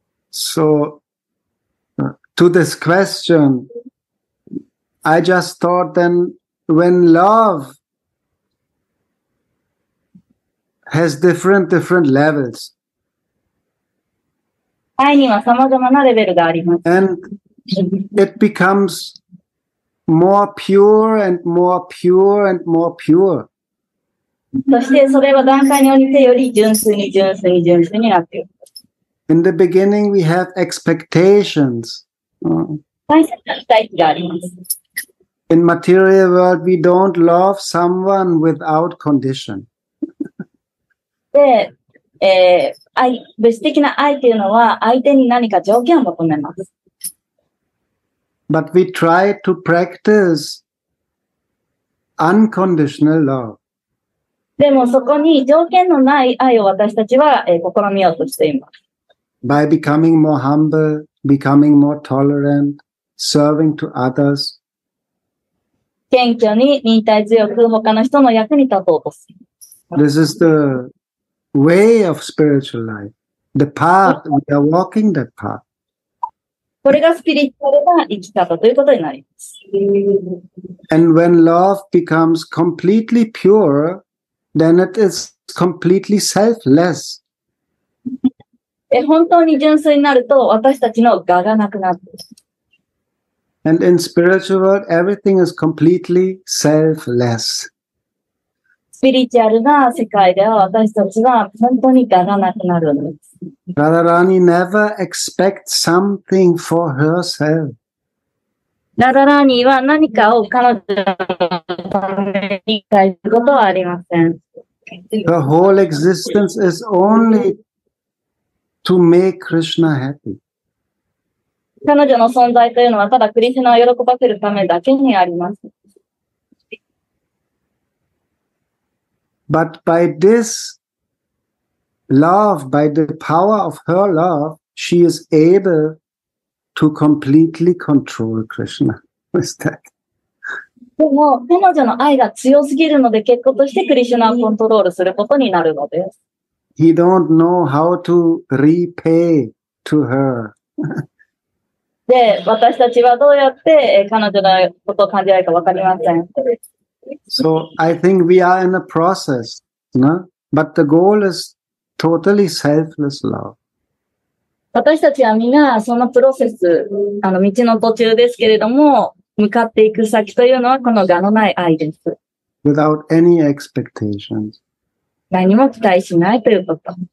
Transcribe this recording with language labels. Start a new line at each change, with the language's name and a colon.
English: So, to this question, I just thought then when love,has different levels. And it becomes more pure and more pure and more pure.
Japanese: そしてそれは段階においてより純粋に純粋に純粋になっていく。
English: In the beginning, we have expectations.
Japanese: 大切な期待があります。
English: In material world, we don't love someone without condition.
Japanese: で、愛、物質的な愛というのは相手に何か条件を求めます。
English: But we try to practice unconditional love.
Japanese: でもそこに条件のない愛を私たちは、試みようとしています。
English: By becoming more humble, becoming more tolerant, serving to others.
Japanese: 謙虚に忍耐強く他の人の役に立とうとする。
English: This is the way of spiritual life. The path, we are walking that path.
Japanese: これがスピリチュアルな生き方ということになります。
English: And when love becomes completely pure, then it is completely selfless.
Japanese: 本当に純粋になると私たちの我がなくなる。
English: And in spiritual world, everything is completely selfless.
Japanese: スピリチュアルな世界では私たちは本当に我がなくなるんです。
English: Radharani never expects something for herself.
Japanese: Radharani は何かを彼女のために期待することはありません。
English: Her whole existence is only to make Krishna happy.
Japanese: 彼女の存在というのはただクリシュナを喜ばせるためだけにあります。
English: But by thislove, by the power of her love, she is able to completely control Krishna. Is that?
Japanese: でも彼女の愛が強すぎるので結果としてクリシュナをコントロールすることになるのです。
English: He don't know how to repay to her.
Japanese: で、私たちはどうやって彼女のことを感じられるかわかりません。
English: So I think we are in a process, no? But the goal is. Totally selfless love.
Japanese: 私たちはみんなそのプロセス、あの道の途中ですけれども、向かっていく先というのはこの我のない愛です。
English: Without any expectations.
Japanese: 何も期待しないということ。